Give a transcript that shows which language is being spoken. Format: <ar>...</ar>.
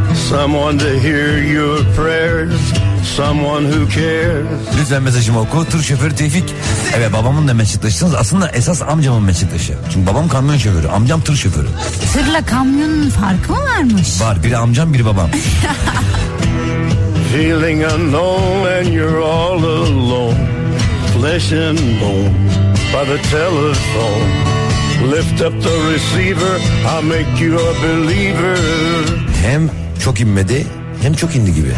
<en>Someone to hear your prayers. Someone who cares.</en> <tr>Lütfen mesajımı oku. Tır şoförü Tevfik. Evet, babamın da meslektaşısınız. Aslında esas amcamın meslektaşı. Çünkü babam kamyon şoförü. Amcam tır şoförü. Tırla kamyonun farkı mı varmış? Var. Biri amcam, biri babam.</tr> <en>Feeling unknown and you're all alone. Flesh and bone by the telephone. Lift up the receiver. I'll make you a believer.</en> <tr>Hem çok inmedi, hem çok indi gibi.</tr>